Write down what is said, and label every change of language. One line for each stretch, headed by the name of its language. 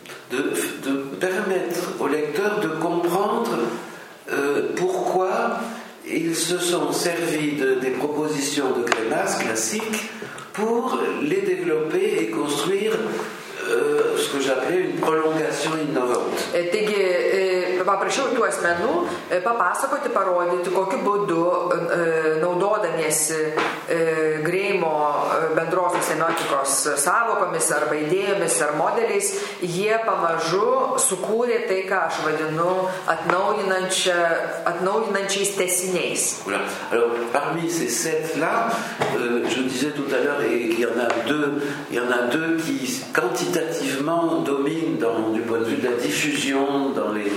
French: De permettre au lecteur de comprendre pourquoi ils se sont servis des propositions de Grémas classiques pour les développer et construire ce que j'appelais une prolongation innovante.
Lithuanian: Taigi, paprašiau tų asmenų papasakoti, parodyti, kokiu būdu naudodamiesi Greimo bendrosios semiotikos savokomis arba idėjomis ar modeliais, jie pamažu sukūrė tai, ką aš vadinu atnaujinančiais tesiniais.
French: Alors, parmi ces 7-là, je disais tout à l'heure, il y en a deux qui quantitativement dominent du point de vue de la diffusion dans les...